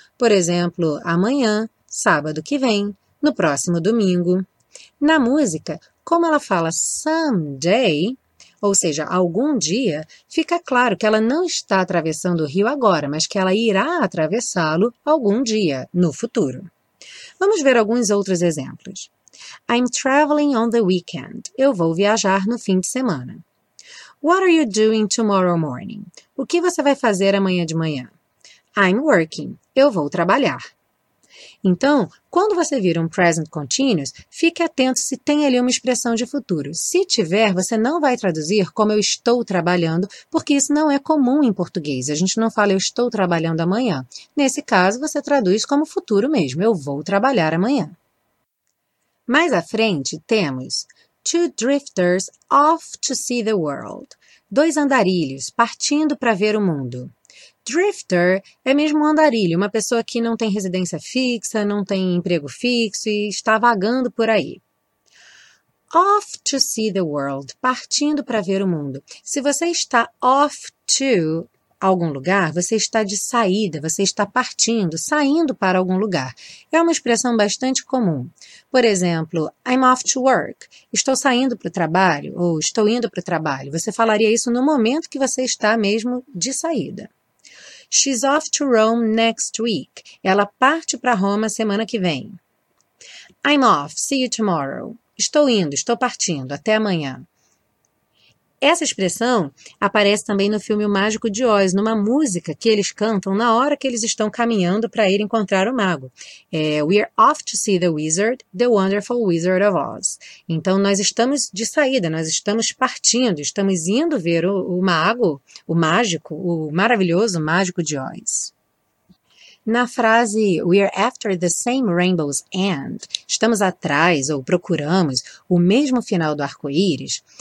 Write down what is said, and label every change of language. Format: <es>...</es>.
<pt>Por exemplo, amanhã, sábado que vem, no próximo domingo. Na música, como ela fala someday, ou seja, algum dia, fica claro que ela não está atravessando o rio agora, mas que ela irá atravessá-lo algum dia, no futuro. Vamos ver alguns outros exemplos.</pt> <en>I'm traveling on the weekend.</en> <pt>Eu vou viajar no fim de semana.</pt> <en>What are you doing tomorrow morning?</en> <pt>O que você vai fazer amanhã de manhã?</pt> <en>I'm working.</en> <pt>Eu vou trabalhar. Então, quando você vir um present continuous, fique atento se tem ali uma expressão de futuro. Se tiver, você não vai traduzir como eu estou trabalhando, porque isso não é comum em português. A gente não fala eu estou trabalhando amanhã. Nesse caso, você traduz como futuro mesmo, eu vou trabalhar amanhã. Mais à frente, temos</pt> <en>two drifters off to see the world.</en> <pt>Dois andarilhos partindo para ver o mundo. Drifter é mesmo um andarilho, uma pessoa que não tem residência fixa, não tem emprego fixo e está vagando por aí.</pt> <en>Off to see the world,</en> <pt>partindo para ver o mundo. Se você está off to algum lugar, você está de saída, você está partindo, saindo para algum lugar. É uma expressão bastante comum. Por exemplo,</pt> <en>I'm off to work.</en> <pt>Estou saindo para o trabalho ou estou indo para o trabalho. Você falaria isso no momento que você está mesmo de saída.</pt> <en>She's off to Rome next week.</en> <pt>Ela parte para Roma semana que vem.</pt> <en>I'm off. See you tomorrow.</en> <pt>Estou indo, estou partindo. Até amanhã. Essa expressão aparece também no filme O Mágico de Oz, numa música que eles cantam na hora que eles estão caminhando para ir encontrar o mago.</pt> <en>É, We're off to see the wizard, the wonderful wizard of Oz.</en> <pt>Então, nós estamos de saída, nós estamos partindo, estamos indo ver o mago, o mágico, o maravilhoso mágico de Oz. Na frase</pt> <en>We're after the same rainbow's end,</en> <pt>estamos atrás ou procuramos o mesmo final do arco-íris.</pt>